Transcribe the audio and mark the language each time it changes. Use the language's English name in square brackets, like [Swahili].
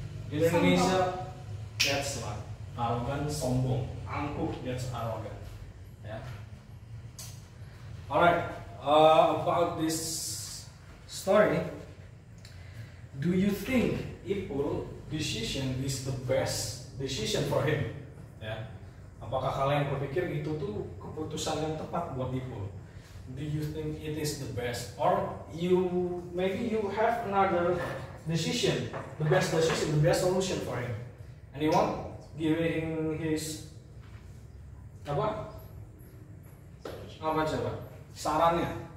[English] Indonesia, that's like arrogant, [Indonesian] sombong, angkuh, [English] that's arrogant. Yeah. Alright. About this story, do you think Ipul decision is the best decision for him? Yeah. [Indonesian] Apakah kalian berpikir itu tuh keputusan yang tepat buat Ipul? [English] Do you think it is the best? Or you maybe you have another decision, the best decision, the best solution for him? Anyone giving his [Indonesian] apa coba? Sarannya?